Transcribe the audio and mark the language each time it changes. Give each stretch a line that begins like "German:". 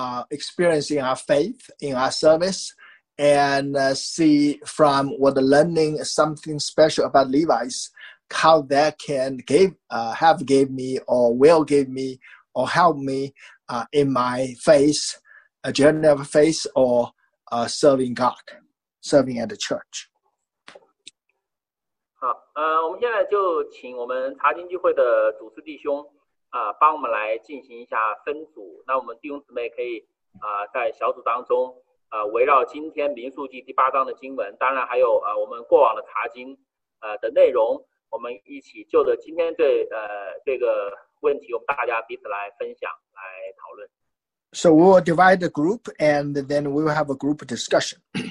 English: Experiencing our faith in our service and see from what the learning something special about Levites, how that can have gave me or will give me or help me in my faith, a journey of faith or serving God, serving at the church.
Chinese: 好，我们现在就请我们查经聚会的主事弟兄帮我们来进行一下分组，那我们弟兄姊妹可以在小组当中围绕今天民数记第八章的经文，当然还有我们过往的查经的内容，我们一起就着今天这个问题，我们大家彼此来分享来讨论。
English: So we will divide the group and then we will have a group discussion.